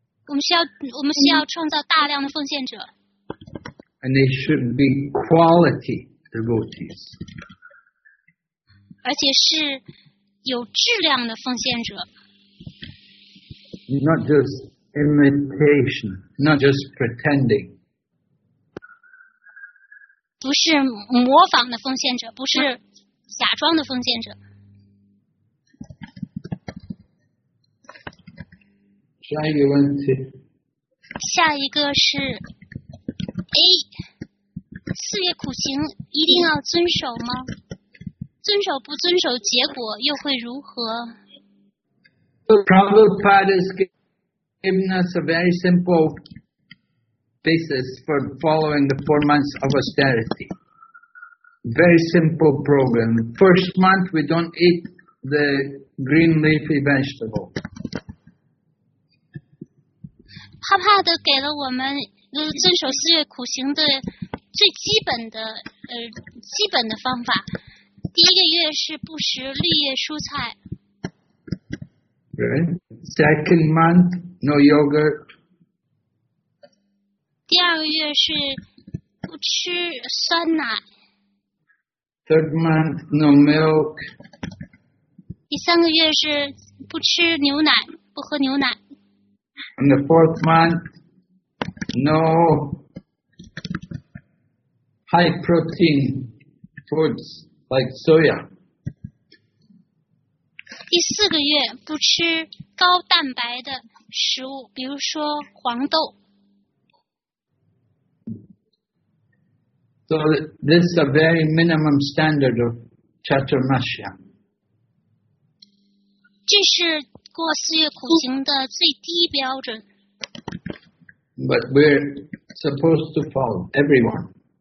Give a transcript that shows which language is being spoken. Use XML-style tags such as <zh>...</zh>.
<zh>我们需要创造大量的奉献者。</zh> <en>And they should be quality devotees.</en> <zh>而且是有质量的奉献者。</zh> <en>Not just imitation, not just pretending.</en> <zh>不是模仿的奉献者，不是假装的奉献者。下一个问题。下一个是 A， 四月苦行一定要遵守吗？遵守不遵守，结果又会如何？</zh> <en>Prabhupada has given us a very simple basis for following the 4 months of austerity. Very simple program. First month, we don't eat the green leafy vegetable.</en> <zh>帕帕的给了我们遵守四月苦行的最基本的基本的方法。第一个月是不食绿叶蔬菜。</zh> <en>Right. Second month, no yogurt.</en> <zh>第二个月是不吃酸奶。</zh> <en>Third month, no milk.</en> <zh>第三个月是不吃牛奶，不喝牛奶。</zh> <en>In the fourth month, no high protein foods like soya.</en> <zh>第四个月不吃高蛋白的食物，比如说黄豆。</zh> <en>So this is a very minimum standard of Chaturmasya.</en> <zh>这是过四月苦行的最低标准。</zh> <en>But we're supposed to follow everyone.</en>